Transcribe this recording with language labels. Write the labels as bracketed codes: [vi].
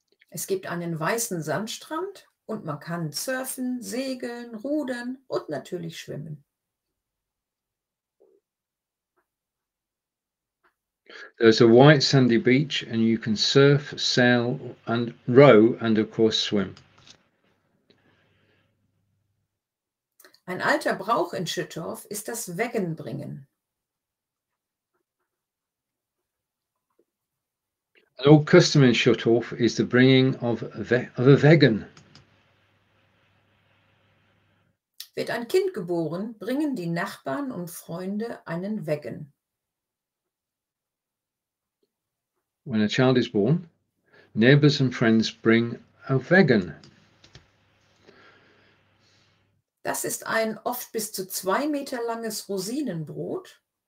[de] Es gibt einen weißen Sandstrand und man kann surfen, segeln, rudern und natürlich schwimmen. [en] There's a white sandy beach, and you can surf, sail, and row, and of course swim. [de] Ein alter Brauch in Schüttorf ist das Weggenbringen. [en] An old custom in Schüttorf is the bringing of a wagon. [de] Wird ein Kind geboren, bringen die Nachbarn und Freunde einen Wagen. [en] When a child is born, neighbors and friends bring a wagon. [de] Das ist ein oft bis zu 2 Meter langes Rosinenbrot.